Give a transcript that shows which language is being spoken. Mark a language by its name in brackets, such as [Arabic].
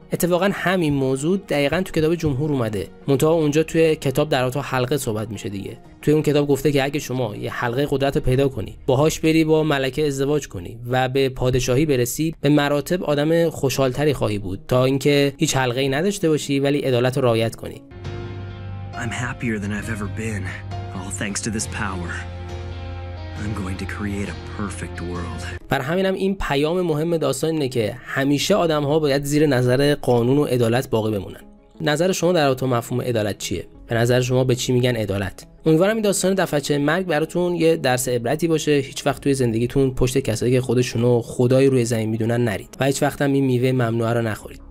[Persian] اتفاقا همین موضوع دقیقاً تو کتاب جمهور اومده. منتها اونجا توی کتاب در اتاق حلقه صحبت میشه دیگه. توی اون کتاب گفته که اگه شما یه حلقه قدرت رو پیدا کنی، باهاش بری با ملکه ازدواج کنی و به پادشاهی برسی، به مراتب آدم خوشحالتری خواهی بود تا اینکه هیچ حلقه‌ای نداشته باشی ولی عدالت رو رعایت کنی. [English] I'm happier than I've ever been, all thanks to this power. I'm going to create a perfect world. [Persian] بر همینم این پیام مهم داستان اینه که همیشه آدم‌ها باید زیر نظر قانون و عدالت باقی بمونن. نظر شما در اوتو مفهوم عدالت چیه؟ به نظر شما به چی میگن عدالت؟ امیدوارم این داستان دفعه مرگ براتون یه درس عبرتی باشه. هیچ وقت توی زندگیتون پشت کسایی که خودشونو خدای روی زمین میدونن نرید و هیچ وقت هم این میوه ممنوعه رو نخورید.